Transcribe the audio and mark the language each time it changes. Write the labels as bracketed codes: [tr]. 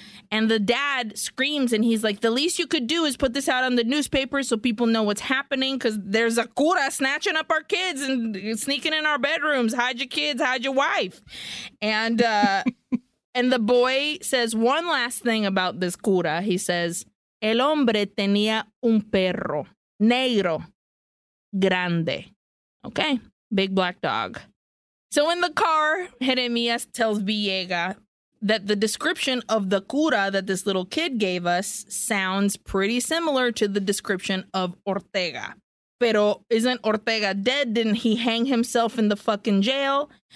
[en] And the dad screams and he's like, the least you could do is put this out on the newspaper so people know what's happening because there's a cura snatching up our kids and sneaking in our bedrooms. Hide your kids. Hide your wife. And and the boy says one last thing about this cura. [es] He says, el hombre tenía un perro negro grande. [en] Okay. Big black dog. So in the car, Jeremias tells Villega that the description of the cura that this little kid gave us sounds pretty similar to the description of Ortega. [es] Pero [en] isn't Ortega dead? Didn't he hang himself in the fucking jail?